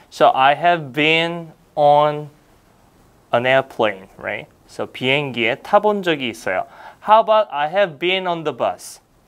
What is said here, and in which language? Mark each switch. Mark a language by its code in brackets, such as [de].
[en] So I have been on an airplane, right? [ko] So 비행기에 타본 적이 있어요. [en] How about I have been on the bus?